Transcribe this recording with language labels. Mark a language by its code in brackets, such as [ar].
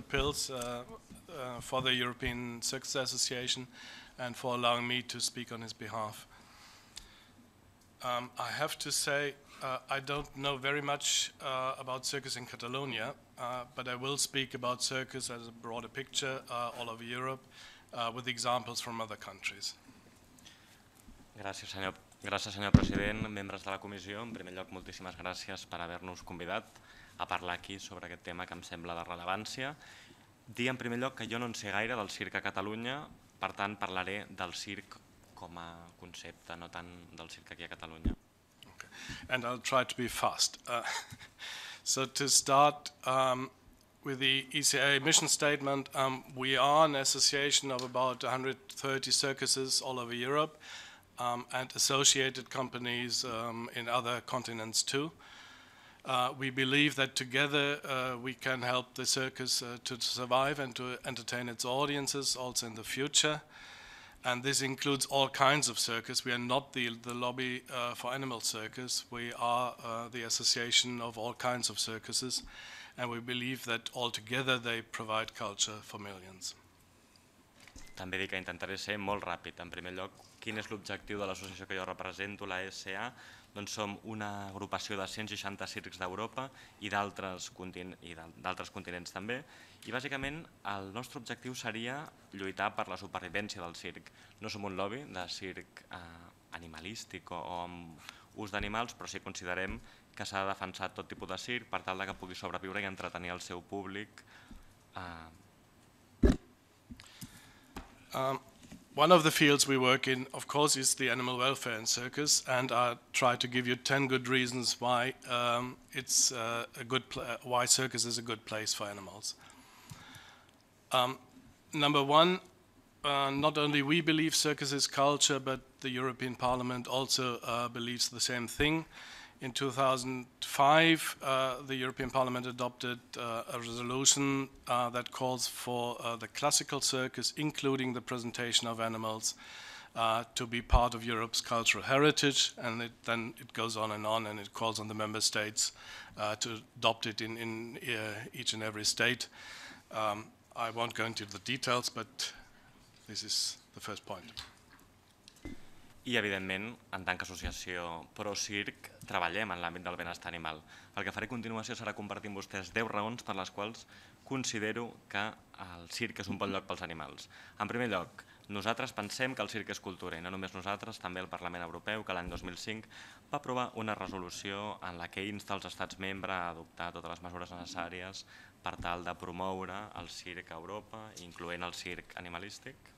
[en] Pils for the European Circ Association and for allowing me to speak on his behalf. I have to say, I don't know very much about circus in Catalonia, but I will speak about circus as a broader picture all over Europe with examples from other countries. [ca] Gràcies, senyor president, membres de la comissió. En primer lloc, moltíssimes gràcies per haver-nos convidat a parlar aquí sobre aquest tema que em sembla de rellevància. Dir en primer lloc que jo no en sé gaire del circ a Catalunya, per tant parlaré del circ com a concepte, no tant del circ aquí a Catalunya. [en] Okay. And I'll try to be fast. So to start with the ECA mission statement, we are an association of about 130 circuses all over Europe and associated companies in other continents too. We believe that together we can help the circus to survive and to entertain its audiences also in the future. And this includes all kinds of circus. We are not the lobby for animal circus. We are the association of all kinds of circuses. And we believe that altogether they provide culture for millions. [ca] També dic que intentaré ser molt ràpid. En primer lloc, quin és l'objectiu de l'associació que jo represento, la ESA? Doncs som una agrupació de 160 circs d'Europa i d'altres continents també. I bàsicament el nostre objectiu seria lluitar per la supervivència del circ. No som un lobby de circ animalístic o amb ús d'animals, però sí considerem que s'ha de defensar tot tipus de circ per tal que pugui sobreviure i entretenir el seu públic. [en] One of the fields we work in, of course, is the animal welfare and circus, and I try to give you 10 good reasons why it's a good why circus is a good place for animals. Number one, not only we believe circus is culture, but the European Parliament also believes the same thing. In 2005, the European Parliament adopted a resolution that calls for the classical circus, including the presentation of animals, to be part of Europe's cultural heritage. And it goes on, and it calls on the member states to adopt it in each and every state. I won't go into the details, but this is the first point. [ca] I, evidentment, en tant que associació ProCirc, treballem en l'àmbit del benestar animal. El que faré a continuació serà compartir amb vostès 10 raons per les quals considero que el circ és un bon lloc pels animals. En primer lloc, Nosaltres pensem que el circ és cultura, i no només nosaltres, també el Parlament Europeu, que l'any 2005 va aprovar una resolució en la que insta els estats membres a adoptar totes les mesures necessàries per tal de promoure el circ a Europa, incloent el circ animalístic.